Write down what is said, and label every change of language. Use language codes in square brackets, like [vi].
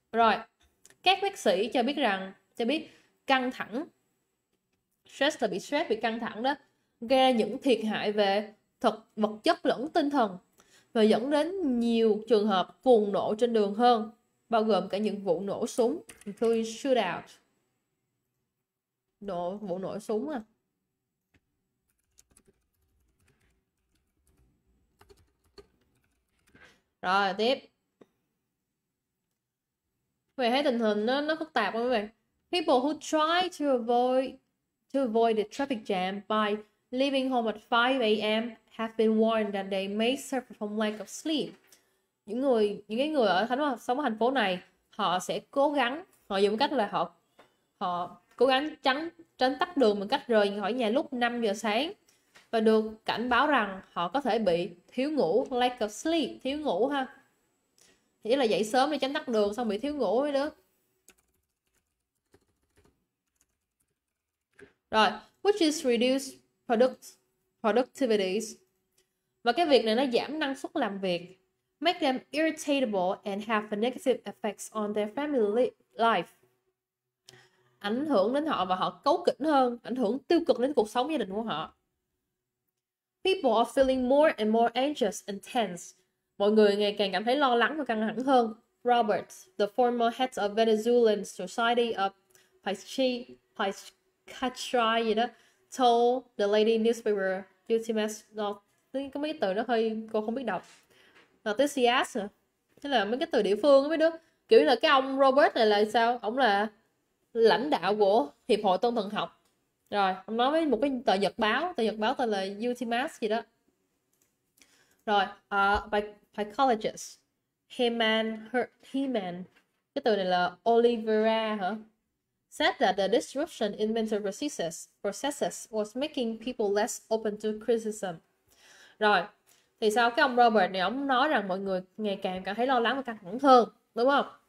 [vi] Rồi, các bác sĩ cho biết căng thẳng, stress là bị stress, bị căng thẳng đó, gây những thiệt hại về vật chất lẫn tinh thần và dẫn đến nhiều trường hợp cuồng nổ trên đường hơn, bao gồm cả những vụ nổ súng, [en] including shootout. [vi] Vụ nổ súng à. Rồi, tiếp. Mày thấy tình hình nó phức tạp không mấy bạn? [en] People who try to avoid the traffic jam by leaving home at 5 a.m. have been warned that they may suffer from lack of sleep. [vi] Những cái người ở thành phố sống ở thành phố này, họ sẽ cố gắng, họ dùng cách là họ họ cố gắng tránh tránh tắc đường bằng cách rời khỏi nhà lúc 5 giờ sáng và được cảnh báo rằng họ có thể bị thiếu ngủ, [en] lack of sleep, [vi] thiếu ngủ ha. Nghĩa là dậy sớm để tránh tắc đường xong bị thiếu ngủ mới được. [en] Rồi, which is reduced productivity. [vi] Và cái việc này nó giảm năng suất làm việc. [en] Make them irritable and have a negative effects on their family life. [vi] Ảnh hưởng đến họ và họ cấu kỉnh hơn, ảnh hưởng tiêu cực đến cuộc sống gia đình của họ. [en] People are feeling more and more anxious and tense. [vi] Mọi người ngày càng cảm thấy lo lắng và căng thẳng hơn. [en] Robert, the former head of Venezuelan Society of Psychiatry, you know, told the lady newspaper UTMS, [vi] có mấy cái từ nó hơi cô không biết đọc. [en] Noticias hả? [vi] Thế là mấy cái từ địa phương mấy đứa. Kiểu là cái ông Robert này là sao? Ông là lãnh đạo của Hiệp hội Tâm thần học. Rồi, ông nói với một cái tờ nhật báo tên là UTMS gì đó. Rồi, [en] by psychologist [vi] Heman, cái từ này là Oliveira hả? [en] Said that the disruption in mental processes was making people less open to criticism. [vi] Rồi, thì sao cái ông Robert này ông nói rằng mọi người ngày càng cảm thấy lo lắng và căng thẳng hơn, đúng không?